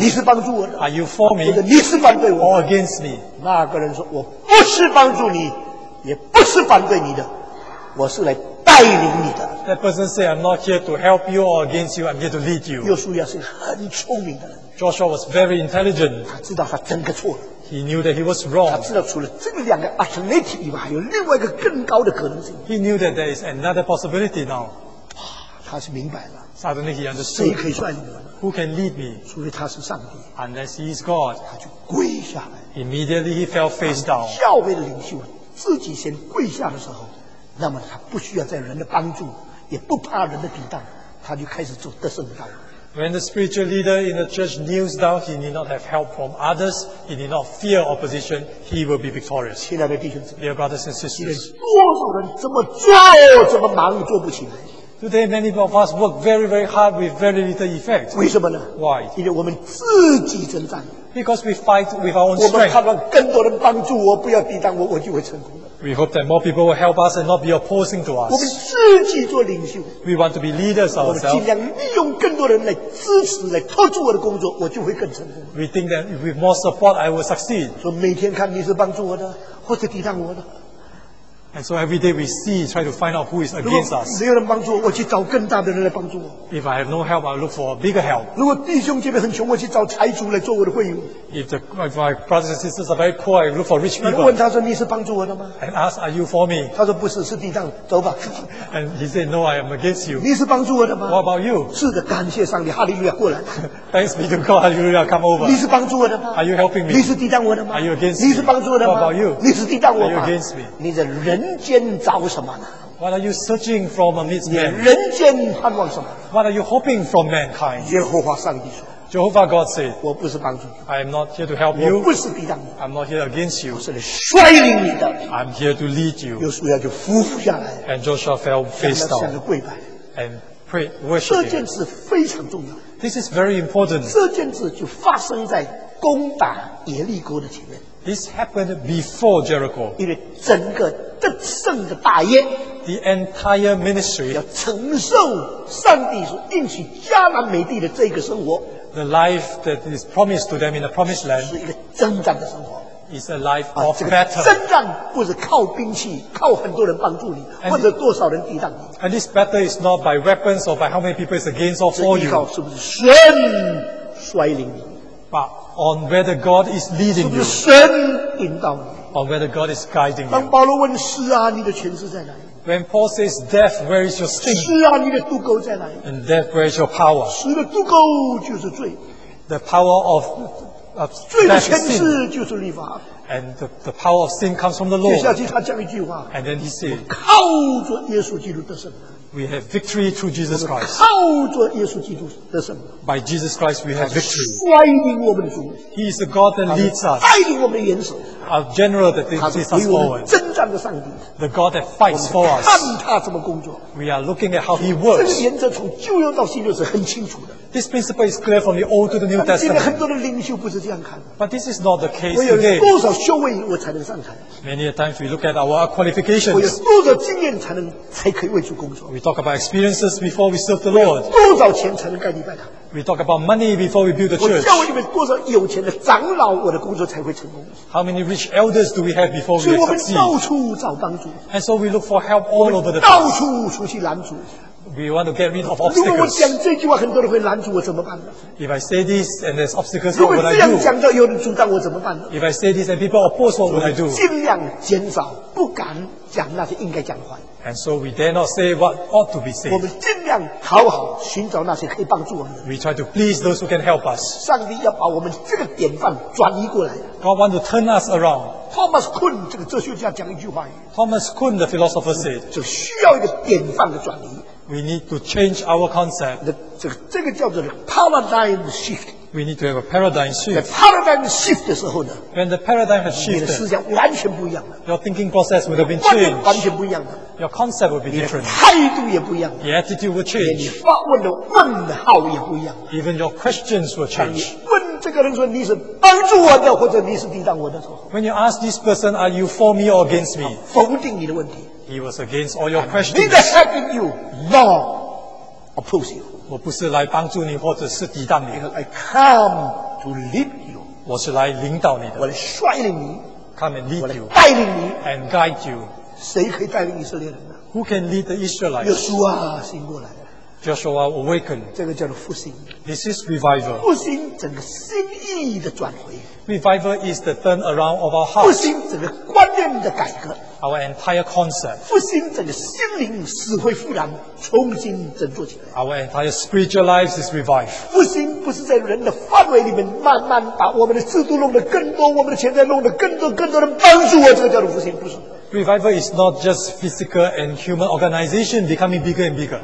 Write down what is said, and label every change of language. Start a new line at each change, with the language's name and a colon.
Chinese: 你是帮助我的。
English: Are you for me?
Chinese: 或者你是反对我。
English: Or against me?
Chinese: 那个人说我不是帮助你，也不是反对你的，我是来。带领你的。
English: That person said, "I'm not here to help you or against you. I'm here to lead you."
Chinese: 约书亚是很聪明的人。
English: Joshua was very intelligent.
Chinese: 他知道他整个错了。
English: He knew that he was wrong.
Chinese: 他知道除了这两个 alternative 以外，还有另外一个更高的可能性。
English: He knew that there is another possibility now.
Chinese: 他是明白了。
English: Suddenly he understood.
Chinese: 谁可以率领我？
English: Who can lead me?
Chinese: 除非他是上帝。
English: Unless he is God.
Chinese: 他就跪下来。
English: Immediately he fell face down.
Chinese: 教会的领袖自己先跪下的时候。那么他不需要在人的帮助，也不怕人的抵挡，他就开始做得胜的道路。
English: When the spiritual leader in the church kneels down, he need not have help from others. He need not fear opposition. He will be victorious.
Chinese: 亲爱的弟兄姊妹
English: ，Dear brothers and sisters，
Chinese: 多少人怎么做怎么忙，做不起来。
English: Today, many of us work very, very hard with very little effect.
Chinese: 为什么呢
English: ？Why？
Chinese: 因为我们自己征战。
English: Because we fight with our own strength.
Chinese: 我们盼望更多人帮助我，不要抵挡我，我就会成功。
English: We hope that more people will help us and not be opposing to us.
Chinese: 我们自己做领袖。
English: We want to be leaders ourselves.
Chinese: 我们尽量利用更多人来支持、来托住我的工作，我就会更成功。
English: We think that with more support, I will succeed.
Chinese: 所以每天看你是帮助我的，或者抵挡我的。
English: And so every day we see, try to find out who is against us.
Chinese: 没有人帮助我，我去找更大的人来帮助我。
English: If I have no help, I look for a bigger help.
Chinese: 如果弟兄姐妹很穷，我去找财主来做我的会友。
English: If my brothers and sisters are very poor, I look for rich people.
Chinese: 问他说你是帮助我的吗
English: ？And ask, are you for me?
Chinese: 他说不是，是抵挡。走吧。
English: And he said, no, I am against you.
Chinese: 你是帮助我的吗
English: ？What about you?
Chinese: 是的，感谢上帝，哈利路亚，过来。
English: Thanks be to God, Hallelujah, come over.
Chinese: 你是帮助我的吗
English: ？Are you helping me?
Chinese: 你是抵挡我的吗
English: ？Are you against me?
Chinese: 你是帮助我的吗
English: ？What about you?
Chinese: 你是抵挡我吗
English: ？Are you against me?
Chinese: 你的人。人间找什么呢
English: ？What are you searching from amidst men？
Chinese: 人间盼望什么
English: ？What are you hoping from mankind？
Chinese: 耶和华上帝说
English: ，Jehovah God said，
Chinese: 我不是帮助你
English: ，I am not here to help you，
Chinese: 我不是抵挡你
English: ，I'm not here against you，
Chinese: 我是来率领你的
English: ，I'm here to lead you。
Chinese: 约书亚就俯伏下来
English: ，And Joshua fell face down，
Chinese: 向着跪拜
English: ，And prayed worship。
Chinese: 这件事非常重要
English: ，This is very important。
Chinese: 这件事就发生在攻打耶利哥的前面。
English: This happened before Jericho.
Chinese: 因为整个得胜的大业
English: ，the entire ministry
Chinese: 要承受上帝所应许迦南美地的这个生活。
English: The life that is promised to them in the promised land
Chinese: 是一个征战的生活。
English: Is a life of battle.
Chinese: 这个征战不是靠兵器，靠很多人帮助你，
English: and、
Chinese: 或者多少人抵挡你。
English: And this battle is not by weapons or by how many people is against or for you.
Chinese: 这依靠是不是神率领你？
English: On whether God is leading you，
Chinese: 是不是神引导你
English: ？On whether God is guiding you。
Chinese: 当保罗问死啊，你的权势在哪里
English: ？When Paul says death， where is your sting？
Chinese: 死啊，你的毒钩在哪里
English: ？And death， where is your power？
Chinese: 死的毒钩就是罪。
English: The power of
Chinese: 罪的权势就是律法。
English: And the power of sin comes from the law。
Chinese: 接下去他讲一句话。
English: And then he said，
Chinese: 靠着耶稣基督得胜。
English: We have victory through Jesus Christ.
Chinese: 靠着耶稣基督得胜。
English: By Jesus Christ, we have victory.
Chinese: 带领我们的主。
English: He is the God that leads us.
Chinese: 带领我们的元首。
English: Our general that leads us forward.
Chinese: 征战的上帝。
English: The God that fights for us.
Chinese: 看他怎么工作。
English: We are looking at how He works.
Chinese: 这个原则从旧约到新约是很清楚的。
English: This principle is clear from the Old to the New Testament.
Chinese: 现在很多的领袖不是这样看。
English: But this is not the case today.
Chinese: 我有多少修为，我才能上台
English: ？Many a times we look at our qualifications.
Chinese: 我有多少经验才可以为主工作
English: ？We talk about experiences before we serve the Lord.
Chinese: 多少钱才能盖礼拜堂
English: We talk about money before we build the church.
Chinese: 我教会里面多少有钱的长老，我的工作才会成功。
English: How many rich elders do we have before we succeed?
Chinese: 所以我们到处找帮助。
English: And so we look for help all over the place.
Chinese: 到处出去拦阻。
English: We want to get rid of obstacles.
Chinese: 如果我讲这句话，很多人会拦阻我，怎么办呢？
English: If I say this and there's obstacles, what would I do?
Chinese: 如果这样讲到有人阻挡我，怎么办呢？
English: If I say this and people oppose, what would I do?
Chinese: 尽量减少，不敢讲那些应该讲的话。
English: And so we dare not say what ought to be said.
Chinese: 我们尽量讨好，寻找那些可以帮助我们。
English: We try to please those who can help us.
Chinese: 上帝要把我们这个典范转移过来。
English: God wants to turn us around.
Chinese: Thomas Kuhn 这个哲学家讲一句话。
English: Thomas Kuhn, the philosopher said,
Chinese: 就需要一个典范的转移。
English: We need to change our concept.
Chinese: 这个叫做 paradigm shift.
English: We need to have a paradigm shift.
Chinese: 在 paradigm shift 的时候呢，
English: when the paradigm has shifted,
Chinese: 你的思想完全不一样了。
English: Your thinking process would have been changed.
Chinese: 完全不一样了。
English: Your concept would be different.
Chinese: 你的态度也不一样了。
English: The attitude would change.
Chinese: 你发问的问号也不一样了。
English: Even your questions would change.
Chinese: 问这个人说你是帮助我的，或者你是抵挡我的时候，
English: when you ask this person, are you for me or against me?
Chinese: 否定你的问题。
English: He was against all your questions. Neither have you, nor oppose you.
Chinese: 我不是来帮助你，或者是抵挡你。
English: I come to lead you.
Chinese: 我是来领导你的。我来率领你。
English: Come and lead you.
Chinese: 我来带领你。
English: And guide you.
Chinese: 谁可以带领以色列人呢？
English: Who can lead the Israelites?
Chinese: 约书亚醒过来。
English: Joshua awakened.
Chinese: 这个叫做复兴。
English: This is revival.
Chinese: 复兴整个心意的转回。
English: Revival is the turn around of our hearts.
Chinese: 复兴整个观念的改革。
English: Our entire concept.
Chinese: 复兴整个心灵死灰复燃，重新振作起来。
English: Our entire spiritual lives is revived.
Chinese: 复兴不是在人的范围里面慢慢把我们的制度弄得更多，我们的钱财弄得更多，更多人帮助我，这个叫做复兴，不是。
English: Revival is not just physical and human organization becoming bigger and bigger.